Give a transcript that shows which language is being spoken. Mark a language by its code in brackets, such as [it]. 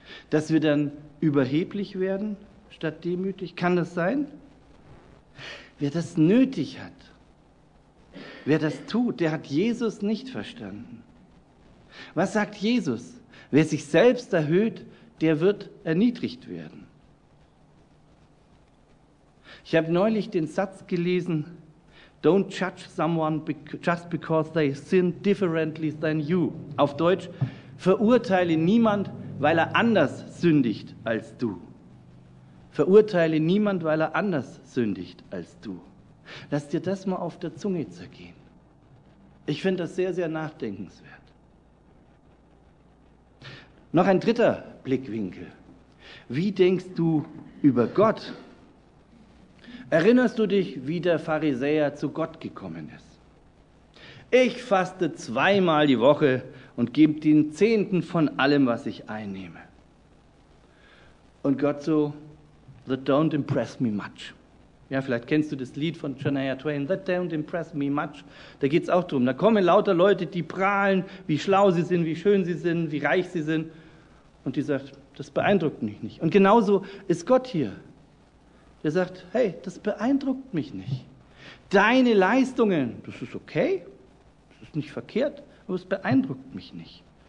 [de] Dass wir dann überheblich werden statt demütig? Kann das sein? Wer das nötig hat, wer das tut, der hat Jesus nicht verstanden. Was sagt Jesus? Wer sich selbst erhöht, der wird erniedrigt werden. Ich habe neulich den Satz gelesen, [en] don't judge someone just because they sin differently than you. [de] Auf Deutsch, verurteile niemand, weil er anders sündigt als du. Verurteile niemand, weil er anders sündigt als du. Lass dir das mal auf der Zunge zergehen. Ich finde das sehr, sehr nachdenkenswert. Noch ein dritter Blickwinkel. Wie denkst du über Gott? Erinnerst du dich, wie der Pharisäer zu Gott gekommen ist? Ich faste 2x die Woche und gebe den 1/10 von allem, was ich einnehme. Und Gott so, [en] that don't impress me much. [de] Ja, vielleicht kennst du das Lied von Shania Twain, That Don't Impress Me Much. Da geht es auch drum. Da kommen lauter Leute, die prahlen, wie schlau sie sind, wie schön sie sind, wie reich sie sind. Und die sagt, das beeindruckt mich nicht. Und genauso ist Gott hier. Der sagt, hey, das beeindruckt mich nicht. Deine Leistungen, das ist okay, das ist nicht verkehrt, aber es beeindruckt mich nicht.